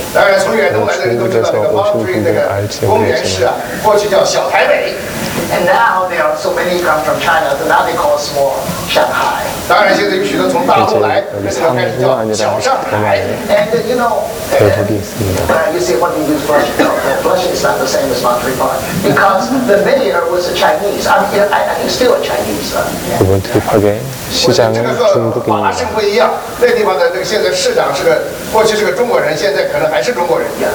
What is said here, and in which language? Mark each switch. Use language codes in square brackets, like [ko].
[zh] 当然，从远东来的人都知道那个蒙特利那个公园是啊，过去叫小台北。 [en] And now there are so many come from China, so now they call it small Shanghai. [zh] 当然，现在有许多从大陆来，开始叫小上海。 [en] And you know, you see, what do you use Flushing? Flushing is not the same as Monterey Park because the mayor was a Chinese. I think still a Chinese. [zh] 我们这个华人，市长中国人。马上不一样，那地方的这个现在市长是个，过去是个中国人，现在可能还是中国人。